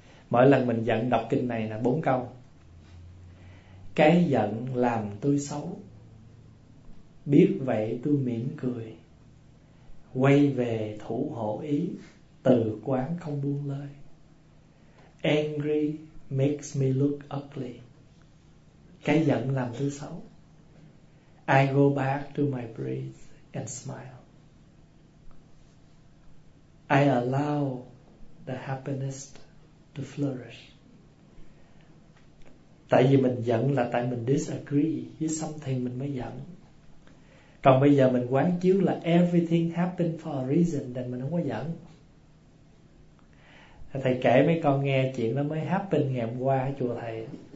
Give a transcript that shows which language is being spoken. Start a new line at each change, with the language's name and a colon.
Vietnamese: Mỗi lần mình giận đọc kinh này là 4 câu. Cái giận làm tôi xấu, biết vậy tôi mỉm cười, quay về thủ hộ ý, từ quán không buông lơi.
English: Angry makes me look ugly.
Vietnamese: Cái giận làm tôi xấu,
English: I go back to my breath and smile. I allow the happiness to flourish.
Vietnamese: Tại vì mình giận là tại mình disagree với something mình mới giận. Còn bây giờ mình quán chiếu là
English: everything happened for a reason,
Vietnamese: nên mình không có giận. Thầy kể mấy con nghe chuyện nó mới happen ngày hôm qua ở chùa thầy.